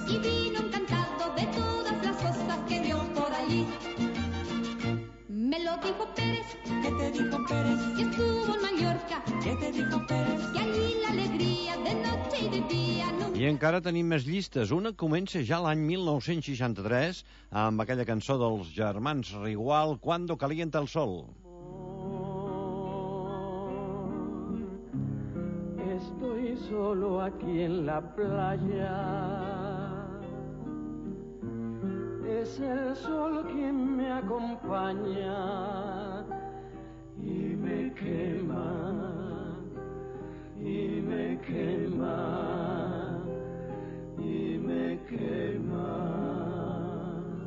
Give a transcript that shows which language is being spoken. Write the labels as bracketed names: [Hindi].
[Spanish] Y vino encantado de todas las cosas que vio por allí. Melodijo Pérez. ¿Qué te dijo Pérez? Que estuvo en Mallorca. ¿Qué te dijo Pérez? Que allí la alegría de noche y de día nunca. [Catalan] I encara tenim més llistes. Una comença ja l'any 1963 amb aquella cançó dels germans Rigual, Cuando calienta el sol. [Spanish] Estoy solo aquí en la playa. Es el sol quien me acompaña y me quema, y me quema, y me quema.